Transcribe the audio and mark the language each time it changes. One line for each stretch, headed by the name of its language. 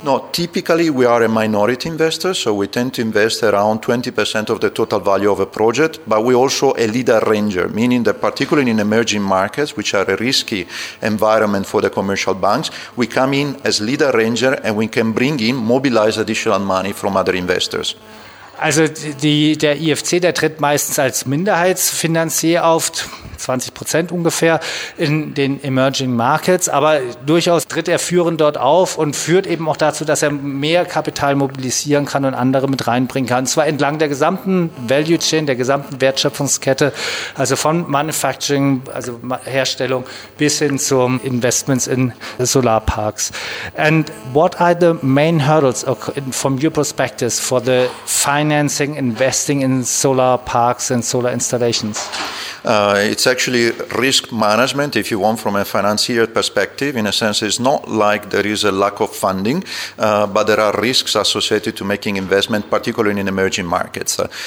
English: No, typically we are a minority investor, so we tend to invest around 20% of the total value of a project, but we also a lead arranger, meaning that particularly in emerging markets, which are a risky environment for the commercial banks, we come in as lead arranger and we can bring in, mobilize additional money from other investors.
German: Also der IFC, der tritt meistens als Minderheitsfinanzier auf, 20% ungefähr, in den Emerging Markets. Aber durchaus tritt er führend dort auf und führt eben auch dazu, dass er mehr Kapital mobilisieren kann und andere mit reinbringen kann. Und zwar entlang der gesamten Value Chain, der gesamten Wertschöpfungskette, also von Manufacturing, also Herstellung, bis hin zum Investments in Solarparks.
English: And what are the main hurdles from your perspectives for the financing, investing in solar parks and solar installations? It's actually risk management, if you want, from a financier perspective. In a sense, it's not like there is a lack of funding, but there are risks associated to making investment, particularly in emerging markets.